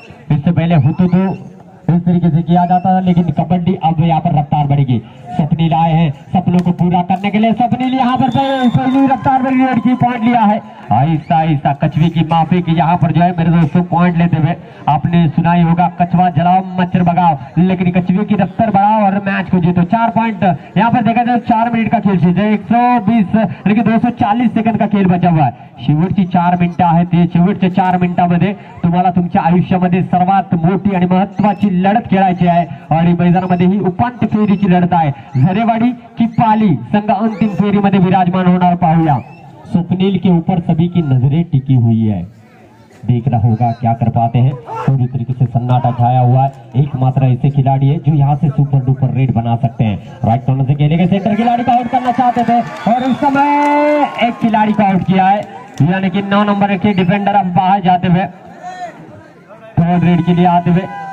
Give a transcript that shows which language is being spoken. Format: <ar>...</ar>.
<hi>इससे पहले हुतु तो इस तरीके से किया जाता था, लेकिन कबड्डी अब यहाँ पर रफ्तार बढ़ेगी। स्वप्निल आए हैं सपनों को पूरा करने के लिए, स्वप्निल यहाँ पर पहली रफ्तार भरी लड़की पॉइंट लिया है, आहिस्ता आहिस्ता कछुए की माफी की यहाँ पर जो है मेरे दोस्तों पॉइंट लेते हुए। आपने सुना ही होगा कछुआ जलाओ मच्छर भगाओ, लेकिन कछुए की रफ्तार बढ़ाओ और मैच को जीतो। चार पॉइंट यहाँ पर देखा जाए, चार मिनट का खेल शेष है, 120 यानी 240 सेकंड का खेल बचा हुआ है,</hi> <mr>शेवटची चार मिनट आहेत, शेवटच्या चार मिनिटांमध्ये तुम्हाला तुमच्या आयुष्यामध्ये सर्वात मोठी आणि महत्त्वाची लढत खेळायची आहे आणि मैदानामध्ये ही उपांत्य फेरीची लढत आहे। झरेवाडी की पाली संघ अंतिम फेरीमध्ये विराजमान होणार, पाहूया।</mr> <hi>स्वप्निल के ऊपर सभी की नजरे टिकी हुई है, देखना होगा क्या कर पाते हैं, पूरी तरीके से सन्नाटा छाया हुआ है। एकमात्र ऐसे खिलाड़ी है जो यहाँ से सुपर डुपर रेड बना सकते हैं। राइट कॉर्नर से खेले गए, सेंटर खिलाड़ी का आउट करना चाहते थे और उस समय एक खिलाड़ी का आउट किया है, यानी कि 9 नंबर के डिफेंडर अब बाहर जाते हुए थर्ड रेड के लिए आते हुए।</hi>